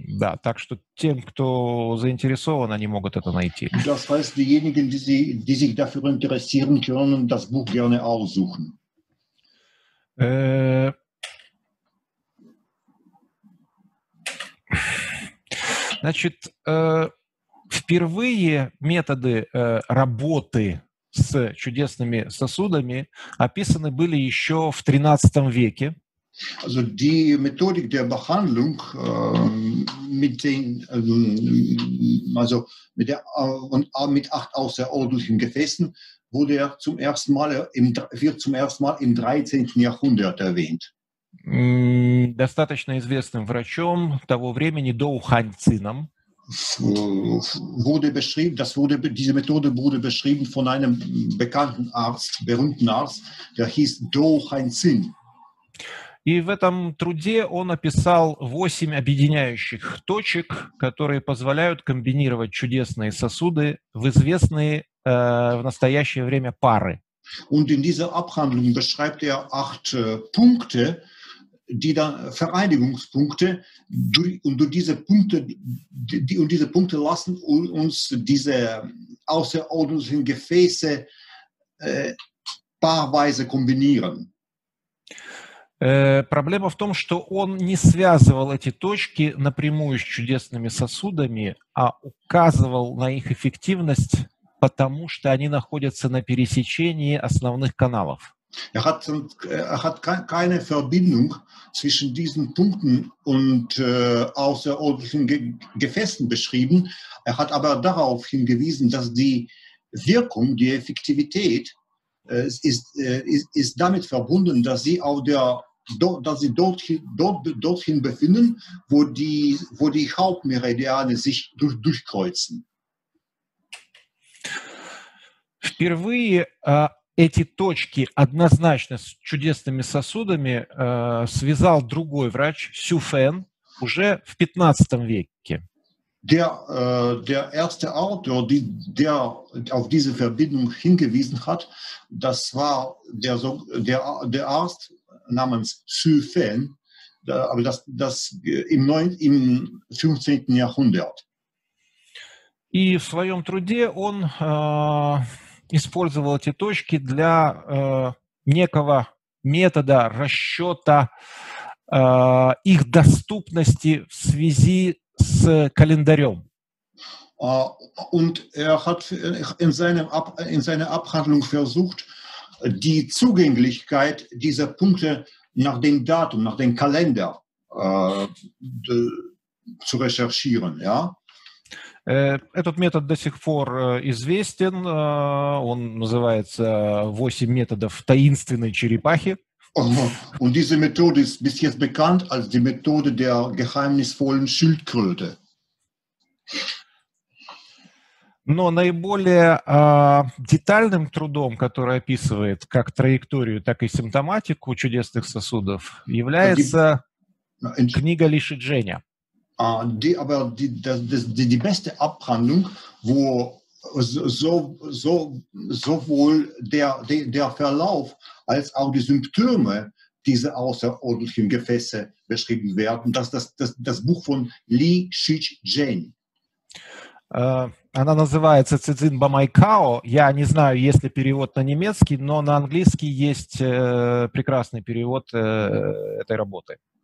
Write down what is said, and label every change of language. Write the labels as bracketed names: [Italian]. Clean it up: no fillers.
[Russian] Да, так что тем, кто заинтересован, они могут это найти. [German] Das heißt, diejenigen, die sich dafür interessieren, können das Buch gerne aussuchen. [Russian] Значит, впервые методы работы с чудесными сосудами описаны были еще в 13 веке. [German] Also die Methodik der Behandlung mit acht außerordentlichen Gefäßen wird zum ersten Mal im 13. Jahrhundert erwähnt. [Russian] Достаточно известным врачом того времени Доу Ханьцином. [German] Diese Methode wurde beschrieben von einem bekannten Arzt, berühmten Arzt, der hieß Doo Ханьцин. [Russian] И в этом труде он описал 8 объединяющих точек, которые позволяют комбинировать чудесные сосуды в известные в настоящее время пары. [German] Und in dieser Abhandlung beschreibt er 8 Punkte, die dann Vereinigungspunkte, und diese Punkte lassen uns diese außerordentlichen Gefäße paarweise kombinieren. [Russian] Проблема в том, что он не связывал эти точки напрямую с чудесными сосудами, а указывал на их эффективность, потому что они находятся на пересечении основных каналов. [German] Er hat keine Verbindung zwischen diesen Punkten und außerordentlichen Gefäßen beschrieben. Er hat aber darauf hingewiesen, dass die Wirkung, die Effektivität ist damit verbunden, dass sie auf der dass sie dorthin befinden, wo die Hauptmeridiane sich durchkreuzen. [Russian] Впервые эти точки однозначно с чудесными сосудами связал другой врач Сю Фэн уже в 15 веке. [German] Der erste Autor, der auf diese Verbindung hingewiesen hat, das war der Arzt namens Sü Fan, aber das im 15. Jahrhundert. [Russian] И в своем труде он использовал эти точки для некого метода расчета их доступности в связи с календарем. [German] Und er hat in seiner Abhandlung versucht, die Zugänglichkeit dieser Punkte nach dem Datum, nach dem Kalender zu recherchieren, ja? [Russian] Этот метод до сих пор известен. Он называется 8 методов таинственной черепахи. [German] Und diese Methode ist bis jetzt bekannt als die Methode der geheimnisvollen Schildkröte. [Russian] Но наиболее детальным трудом, который описывает как траекторию, так и симптоматику чудесных сосудов, является книга Ли Шидженя. [German] Die beste Abhandlung, wo sowohl der Verlauf als auch die Symptome dieser außerordentlichen Gefäße beschrieben werden, das Buch von Ли Шидженя. [Russian] Она называется «Цзин Бамайкао». Я не знаю, есть ли перевод на немецкий, но на английский есть прекрасный перевод этой работы.